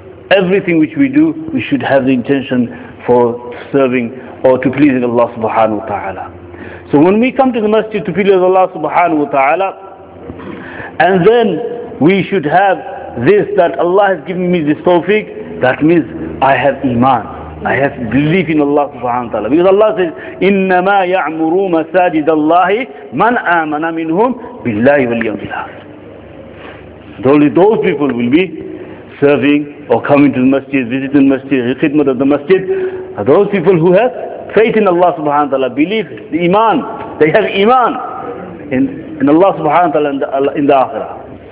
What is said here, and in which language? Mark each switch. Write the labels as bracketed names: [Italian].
[English] Everything which we do, we should have the intention for serving or to pleasing Allah subhanahu wa ta'ala. So when we come to the masjid to please Allah subhanahu wa ta'ala, and then we should have this, that Allah has given me this tawfiq, that means I have iman, I have belief in Allah subhanahu wa ta'ala. Because Allah says, [Arabic] إِنَّمَا يَعْمُرُوا مَسَاجِدَ اللَّهِ مَنْ آمَنَ مِنْهُمْ بِاللَّهِ وَالْيَوْمِ الْآخِرِ. [English] Only those people will be serving or coming to the masjid, visiting the masjid, the khidmat of the masjid. Those people who have faith in Allah subhanahu wa ta'ala, belief, the iman, they have iman in Allah subhanahu wa ta'ala in the akhirah.